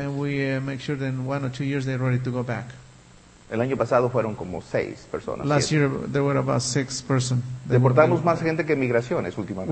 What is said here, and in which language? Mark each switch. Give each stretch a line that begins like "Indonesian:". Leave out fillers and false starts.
English: And we make sure that in 1 or 2 years they're ready to go back.
Spanish: El año pasado fueron como 6 personas.
English: Last year there were about 6 persons.
Spanish: Deportamos más gente que migraciones últimamente.